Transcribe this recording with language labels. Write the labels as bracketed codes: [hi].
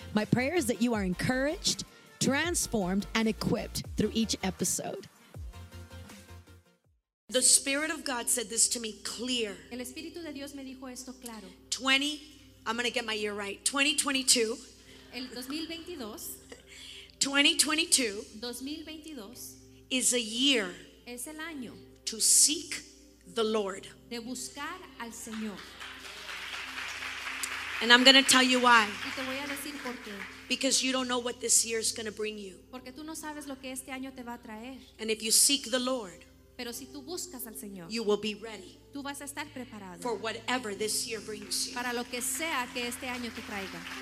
[en] My prayer is that you are encouraged, transformed, and equipped through each episode. The Spirit of God said this to me clear. [es] El Espíritu de Dios me dijo esto claro. [en] I'm going to get my year right. 2022. [es] El 2022. [en] 2022 is a year [es] es el año [en] to seek the Lord. [es] De buscar al Señor. [en] And I'm going to tell you why. [es] Y te voy a decir por qué. [en] Because you don't know what this year is going to bring you. [es] Porque tú no sabes lo que este año te va a traer. [en] And if you seek the Lord, [es] pero si tú buscas al Señor, [en] you will be ready. [es] Tú vas a estar preparado [en] for whatever this year brings you. [es] Para lo que sea que este año te traiga.